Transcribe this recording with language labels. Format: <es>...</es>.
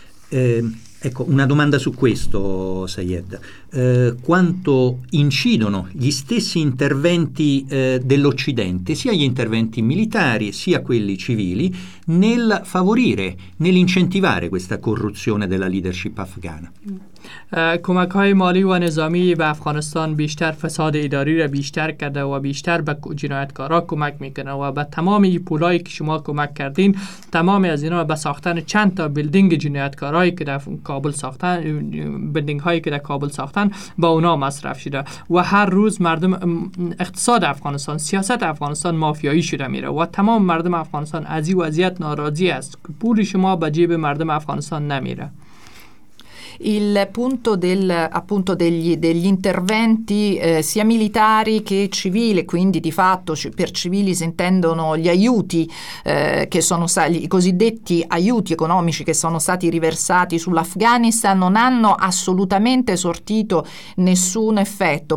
<it>Ecco, una domanda su questo, Sayed. Quanto incidono gli stessi interventi dell'Occidente, sia gli interventi militari sia quelli civili, nel favorire, nell'incentivare questa corruzione della leadership afghana?</it> <fa>کمک های مالی و نظامی به افغانستان بیشتر فساد اداری را بیشتر کرده و بیشتر به جنایتکارا کمک میکنه و به تمام این پولایی که شما کمک کردین تمام از اینا به ساختن چند تا بیلدینگ جنایتکارایی که در کابل ساختن، بیلدینگ هایی که در کابل ساختن با اونا مصرف شده و هر روز مردم اقتصاد افغانستان، سیاست افغانستان مافیایی شده میره و تمام مردم افغانستان از این وضعیت ناراضی است. پول شما به جیب مردم افغانستان نمیره.</fa> <it>Il punto degli interventi sia militari che civili, quindi di fatto per civili si intendono gli aiuti che sono stati, i cosiddetti aiuti economici che sono stati riversati sull'Afghanistan, non hanno assolutamente sortito nessun effetto.</it>